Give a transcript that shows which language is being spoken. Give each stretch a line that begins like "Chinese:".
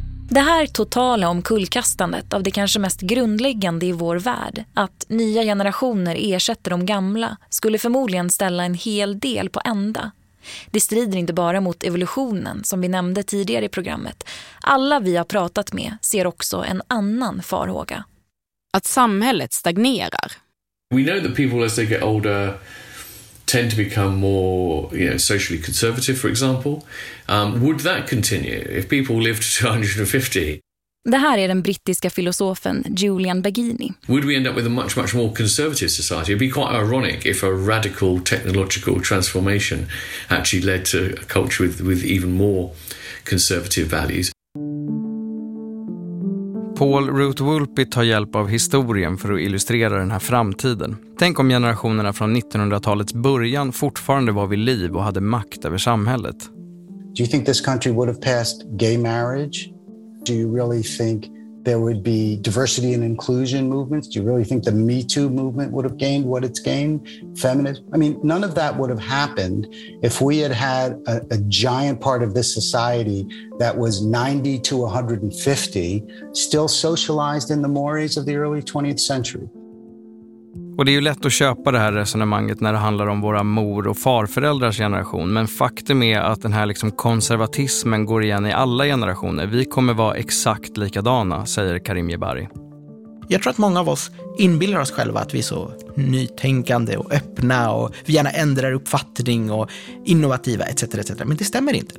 Swedish: Det här totala omkullkastandet av det kanske mest grundläggande i vår värld, att nya generationer ersätter de gamla, skulle förmodligen ställa en hel del på ända. Det strider inte bara mot evolutionen, som vi nämnde tidigare i programmet. Alla vi har pratat med ser också en annan farhåga. Att samhället stagnerar.
English: We know that people as they get older tend to become more, you know, socially conservative, for example. Would that continue if people lived to 150?
Swedish: Det här är den brittiska filosofen Julian Baggini.
English: Would we end up with a much, much more conservative society? It'd be quite ironic if a radical technological transformation actually led to a culture with even more conservative values.
Swedish: Paul Ruth-Wulpe tar hjälp av historien för att illustrera den här framtiden. Tänk om generationerna från 1900-talets början fortfarande var vid liv och hade makt över samhället.
English: Do you think this country would have passed gay marriage? Do you really think there would be diversity and inclusion movements? Do you really think the Me Too movement would have gained what it's gained? Feminist? I mean, none of that would have happened if we had had a giant part of this society that was 90 to 150 still socialized in the mores of the early 20th century.
Swedish: Och det är ju lätt att köpa det här resonemanget när det handlar om våra mor- och farföräldrars generation. Men faktum är att den här liksom konservatismen går igen i alla generationer. Vi kommer vara exakt likadana, säger Karim Jebari. Jag tror att många av oss inbillar oss själva att vi är så nytänkande och öppna och vi gärna ändrar uppfattning och innovativa etc. etc. Men det stämmer inte.